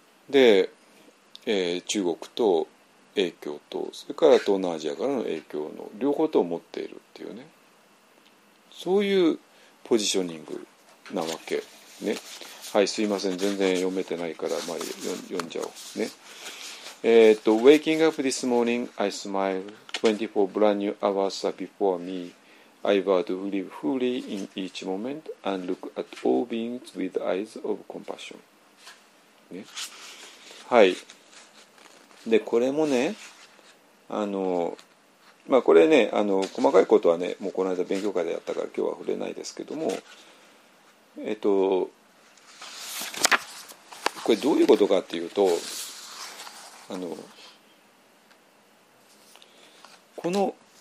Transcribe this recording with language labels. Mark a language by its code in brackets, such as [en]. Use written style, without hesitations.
[ja] で、中国と影響と、それから東南アジアからの影響の両方と持っているっていうね、そういうポジショニングなわけね。はい、すいません、全然読めてないから、まあ読んじゃおうね。 [en] Waking up this morning, I smile. 24 brand new hours are before me. I vow to live fully in each moment and look at all beings with eyes of compassion. [ja] ね。はい。で、これもね、まあこれね、細かいことはね、もうこの間勉強会でやったから今日は触れないですけども、これどういうことかっていうと、この